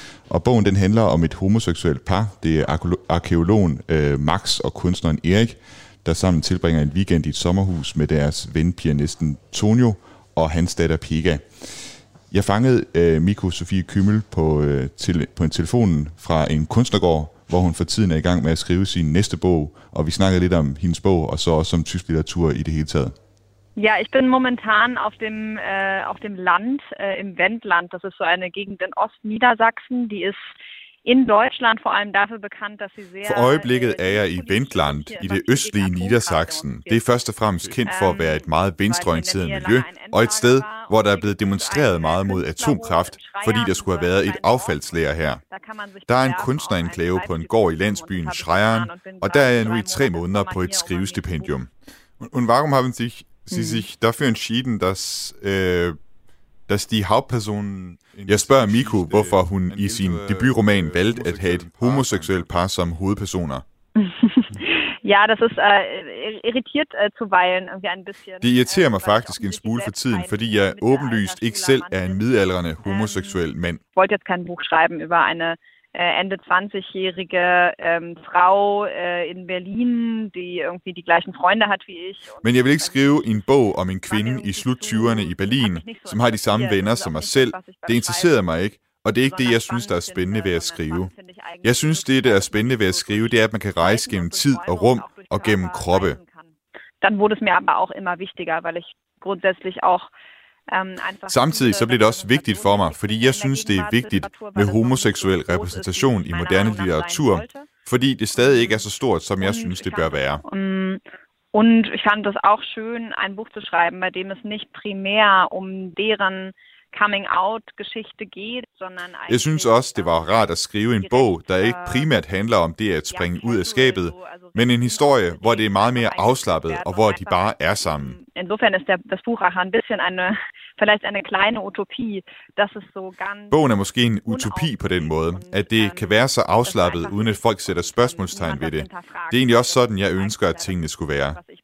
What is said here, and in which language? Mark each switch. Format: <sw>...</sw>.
<da>Og bogen, den handler om et homoseksuelt par. Det er arkeologen Max og kunstneren Erik, der sammen tilbringer en weekend i et sommerhus med deres ven pianisten Tonio og hans datter Pega. Jeg fangede Miko Sofie Kümmel på en telefon fra en kunstnergård, hvor hun for tiden er i gang med at skrive sin næste bog, og vi snakker lidt om hendes bog, og så også om tysk litteratur i det hele taget.</da> <de>Ja, ich bin momentan auf dem Land, im Wendland. Das ist so eine Gegend in Ostniedersachsen, die ist in Deutschland vor allem dafür bekannt, dass sie sehr...</de> <da>For øjeblikket er jeg i Wendland, i det østlige Niedersachsen. Det er først og fremmest kendt for at være et meget venstreorienteret miljø, og et sted, hvor der er blevet demonstreret meget mod atomkraft, fordi der skulle have været et affaldslager her. Der er en kunstnerenklave på en gård i landsbyen Schreieren, og der er jeg nu i 3 måneder på et skrivestipendium.</da> <de>Und warum haben sich Sie sich dafür entschieden, dass die Hauptperson...</de> <da>Jeg spørger Miko, hvorfor hun i sin debutroman valgte at have et homoseksuelt par som hovedpersoner.</da> <de>Ja, das ist irritiert zuweilen irgendwie ein bisschen.</de> <da>Det irriterer mig faktisk en smule for tiden, fordi jeg åbenlyst ikke selv er en midaldrende homoseksuel mand.</da> <de>Ich wollte jetzt kein Buch schreiben über eine Ende 20-jährige Frau in Berlin, die irgendwie die gleichen Freunde hat wie ich.</de> <da>Men jeg vil ikke skrive en bog om en kvinde i slut 20'erne i Berlin, som har de samme venner som mig selv. Det interesserer mig ikke, og det er ikke det, jeg synes, der er spændende ved at skrive. Jeg synes, det, der er spændende ved at skrive, det er, at man kan rejse gennem tid og rum og gennem kroppe.</da> <de>Dann wurde es mir aber auch immer wichtiger, weil ich grundsätzlich auch</de> <da>Samtidig så bliver det også vigtigt for mig, fordi jeg synes, det er vigtigt med homoseksuel repræsentation i moderne litteratur, fordi det stadig ikke er så stort, som jeg synes, det bør være.</da> <de>Und ich fand es auch schön, ein Buch zu schreiben, bei dem es nicht primär um deren coming-out-geschichte geht, sondern...</de> <da>Jeg synes også, det var rart at skrive en bog, der ikke primært handler om det at springe ud af skabet, men en historie, hvor det er meget mere afslappet, og hvor de bare er sammen.</da> <de>Insofern ist das Buch auch ein bisschen eine, vielleicht eine kleine Utopie, dass es so ganz...</de> <da>Bogen er måske en utopi på den måde, at det kan være så afslappet, uden at folk sætter spørgsmålstegn ved det. Det er egentlig også sådan, jeg ønsker, at tingene skulle være.</da>